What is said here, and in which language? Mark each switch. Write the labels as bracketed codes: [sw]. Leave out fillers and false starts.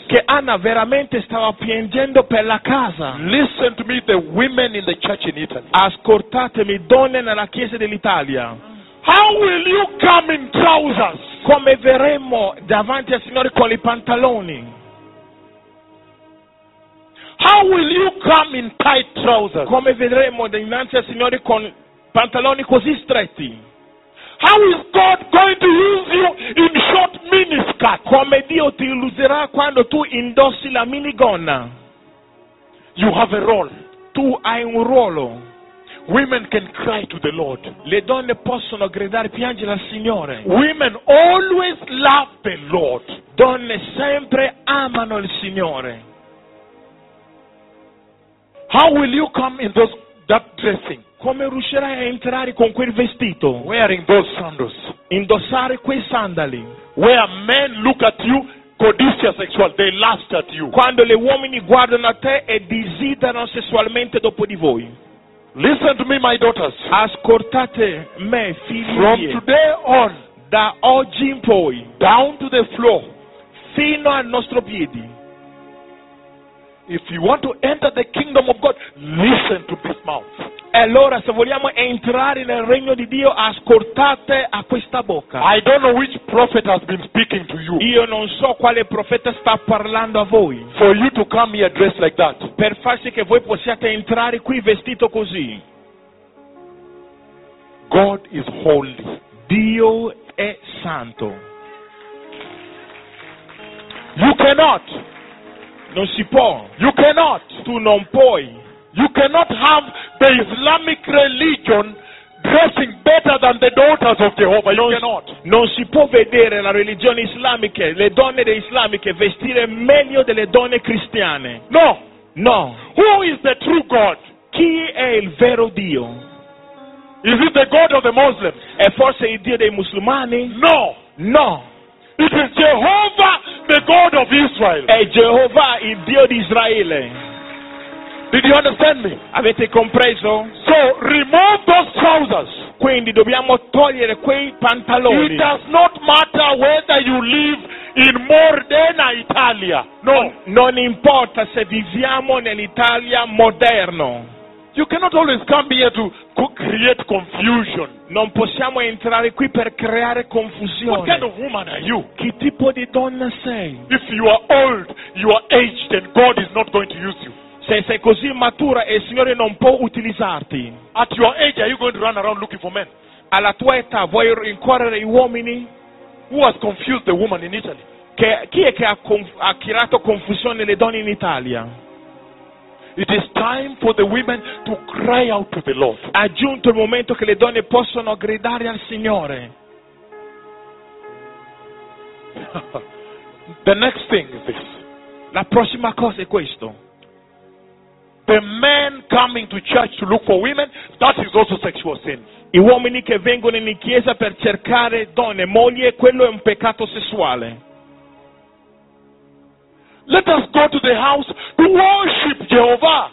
[it] Che Anna veramente stava piangendo per la casa. [en] Listen to me, the women in the church in Italy. [it] Ascoltatemi, donne nella chiesa dell'Italia. [en] How will you come in trousers? [it] Come verremo davanti al Signore con i pantaloni? [en] How will you come in tight trousers? [it] Come vedremo davanti al Signore con pantaloni così stretti? [en] How is God going to use you in short miniskirt? [it] Come Dio ti userà quando tu indossi la minigonna? [en] You have a role. [it] Tu hai un ruolo. [en] Women can cry to the Lord. [it] Le donne possono gridare, piangere al Signore. [en] Women always love the Lord. [it] Donne sempre amano il Signore. [en] How will you come in those that dressing. [it] Come riuscirai a entrare con quel vestito? [en] Wearing those sandals. [it] Indossare quei sandali. [en] Where men look at you [es] codicia sexual, [en] they lust at you. [it] Quando le uomini guardano a te e desiderano sessualmente dopo di voi. [en] Listen to me, my daughters. [it] Ascoltate me, figlie. [en] From today on, [it] da oggi in poi, [en] down to the floor, [it] fino al nostro piedi. [en] If you want to enter the kingdom of God, listen to this mouth. [it] E allora, se vogliamo entrare nel regno di Dio, ascoltate a questa bocca. [en] I don't know which prophet has been speaking to you. [it] Io non so quale profeta sta parlando a voi. [en] For you to come here dressed like that. [it] Per far sì che voi possiate entrare qui vestito così. [en] God is holy. [it] Dio è santo. [en] You cannot. [it] Non si può. [en] You cannot. [it] Tu non puoi. [en] You cannot have the Islamic religion dressing better than the daughters of Jehovah. You cannot. [it] Non si può vedere la religione islamica, le donne islamiche vestire meglio delle donne cristiane. [en] No. [it] No. [en] Who is the true God? [it] Chi è il vero Dio? [en] Is it the God of the Muslims? [it] È forse il Dio dei musulmani? [en] No. [it] No. [en] It is Jehovah, the God of Israel. [it] È Jehovah, il Dio di Israele. [en] Did you understand me? [it] Avete compreso? [en] So remove those trousers. [it] Quindi dobbiamo togliere quei pantaloni. [en] It does not matter whether you live in Modena, Italia. No, [it] non importa se viviamo nell'Italia moderno. [en] You cannot always come here to create confusion. [it] Non possiamo entrare qui per creare confusione. [en] What kind of woman are you? [it] Che tipo di donna sei? [en] If you are old, you are aged, and God is not going to use you. [it] Se sei così matura e il Signore non può utilizzarti. [en] At your age, are you going to run around looking for men? [it] Alla tua età vuoi rincorrere i uomini? [en] Who has confused the woman in Italy? [it] Chi è che ha creato confusione nelle donne in Italia? [en] It is time for the women to cry out to the Lord. [it] È giunto il momento che le donne possono gridare al Signore. [en] The next thing is this. [it] La prossima cosa è questo. [en] The men coming to church to look for women, that is also sexual sin. [it] I uomini che vengono in chiesa per cercare donne, mogli, quello è un peccato sessuale. [en] Let us go to the house to worship Jehovah.